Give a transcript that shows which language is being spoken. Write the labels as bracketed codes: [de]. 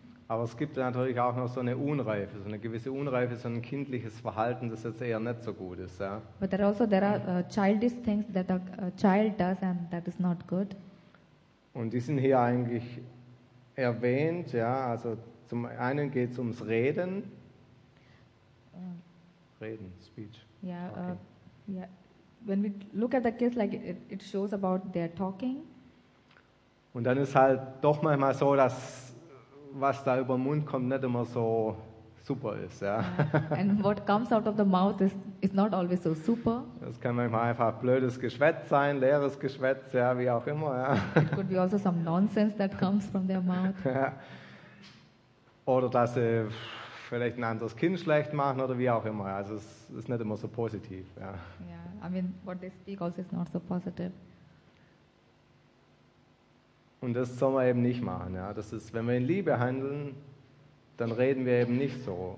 [de] Aber es gibt natürlich auch noch so eine gewisse Unreife, so ein kindliches Verhalten, das jetzt eher nicht so gut ist, ja. [en] But there are childish things that a child does and that is not good. [de] Und die sind hier eigentlich erwähnt, ja. Also zum einen geht es ums Reden. Reden, Speech. [en] Yeah, yeah. When we look at the kids, like it shows about their talking. [de] Und dann ist halt doch manchmal so, dass was da über den Mund kommt, nicht immer so super ist, ja. [en] And what comes out of the mouth is not always so super. [de] Das kann manchmal einfach blödes Geschwätz sein, leeres Geschwätz, ja, wie auch immer, ja. [en] It could be also some nonsense that comes from their mouth. [de] Ja. Oder dass sie vielleicht ein anderes Kind schlecht machen oder wie auch immer. Also es ist nicht immer so positiv, ja. [en] Yeah, I mean, what they speak also is not so positive. [de] Und das soll man eben nicht machen. Ja. Das ist, wenn wir in Liebe handeln, dann reden wir eben nicht so